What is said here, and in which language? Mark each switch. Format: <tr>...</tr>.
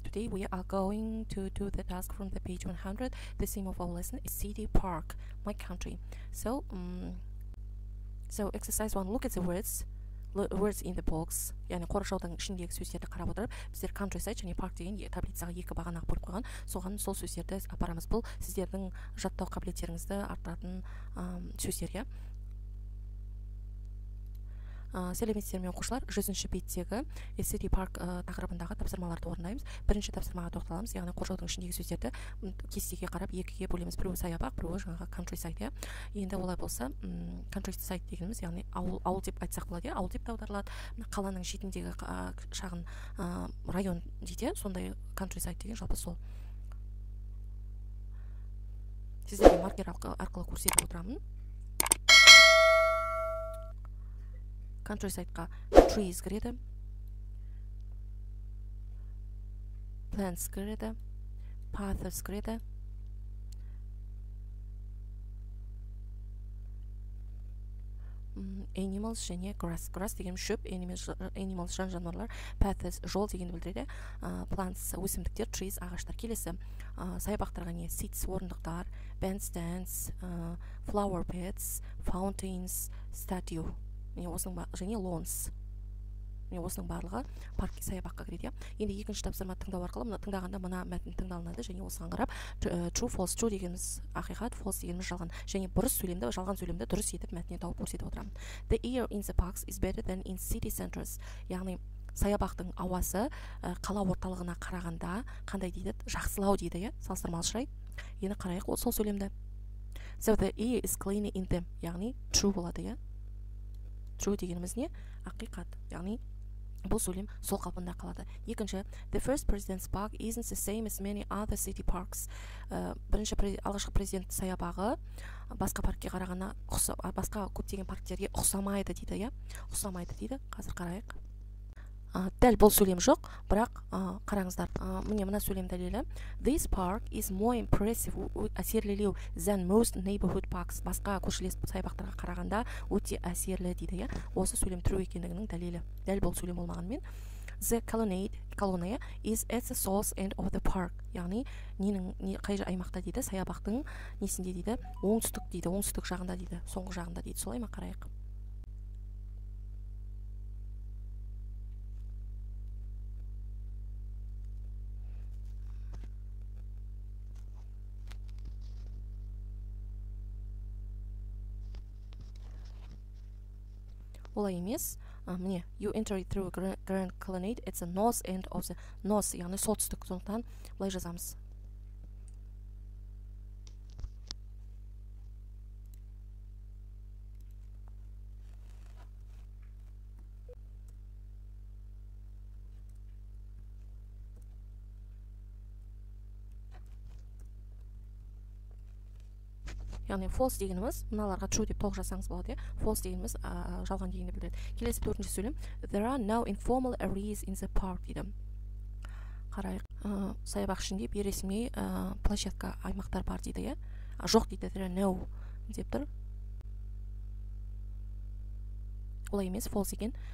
<en>Today we are going to do the task from the page 100. The theme of our lesson is City Park, My Country. So exercise one. Look at the words in the box.</en> <kk>Яғни қоршаудың ішіндегі сөздерді қарап отырып, біздер countryside және park деген таблицаға екі бағана бөліп қойған. Соған сол сөздерді апарамыз. Бұл сіздердің жаттау қабілеттеріңізді арттыратын сөздер, иә. Сәлеметсіздер ме оқушылар, 100-ші беттегі City Park тақырыбындағы тапсырмаларды орындаймыз. Бірінші тапсырмаға тоқталамыз, яғни қоршаудың ішіндегі сөздерді кестеге қарап екіге бөлеміз. Біреуі саябақ, біреуі жаңағы countryside. Енді олай болса, countryside дегеніміз, яғни ауыл деп айтсақ болады, ауыл деп аударылады. Қаланың шетіндегі шағын район дейді, сондай countryside деген жалпы сол. Сіздерге маркер арқылы көрсетіп отырамын. Countryside-ға trees кіреді, plants кіреді, paths кіреді, animals және grass. Grass деген шөп, animals жан жануарлар, paths жол дегенді білдіреді, plants өсімдіктер, trees ағаштар. Келесі саябақтарға не? Seats орындықтар, bandstands, flower beds, fountains, statue. Осының барлығы парк саябаққа кіреді. Енді екінші тапсырма тыңдау арқылы, тыңдағанда мына мәтін тыңдалынады және осыған қарап true, false. True дегеніміз ақиқат, false дегеніміз жалған. Және бұрыс сөйлемді, жалған сөйлемді дұрыс етіп мәтіне тауып көрсетіп отырамын.</kk> <en>The air in the parks is better than in city centers.</en> <kk>Яғни саябақтың ауасы қала орталығына қарағанда қандай дейді? Жақсылау дейді, иә, салыстырмалы шырай. Енді қарайық сол сөйлемді.</kk> <en>So the air is cleaner in them.</en> <kk>Яғни true болады, иә. True дегеніміз не? Ақиқат. Яғни бұл сөйлем сол қалпында қалады.</kk> <en>Екінші, the first president's park isn't the same as many other city parks.</en> <kk>Бірінші алғашқы президент саябағы басқа паркке қарағанда басқа көптеген парктерге ұқсамайды дейді, иә? Ұқсамайды дейді. Қазір қарайық. Дәл бұл сөйлем жоқ, бірақ қараңыздар. Міне мына сөйлем дәлелі.</kk> <en>This park is more impressive, әсерлілеу than most neighborhood parks.</en> <kk>Басқа көршілес саябақтарға қарағанда өте әсерлі дейді, иә? Осы сөйлем true екендігінің дәлелі. Дәл бұл сөйлем болмағанмен.</kk> <en>The colonnade is at the south end of the park.</en> <kk>Яғни қай аймақта дейді, саябақтың несінде дейді, оңтүстік дейді, оңтүстік жағында дейді, соңғы жағында дейді. Солай ма, қарайық. Олай емес. Міне,</kk> <en>you enter it through a grand colonnade at the north end of the north,</en> <kk>яғни солтүстік, сондықтан былай жазамыз. Яғни false дегеніміз, мыналарға true деп толық жасаңыз болады, false дегеніміз жалған дегенді білдіреді. Келесі төртінші сөйлем.</kk> <en>There are no informal areas in the park,</en> <kk>дейді. Қарайық. Саябақ ішінде бейресми площадка аймақтар бар дейді, иә? Жоқ дейді,</kk> <en>there are no</en> <kk>деп тұр. Олай емес, false деген.</kk>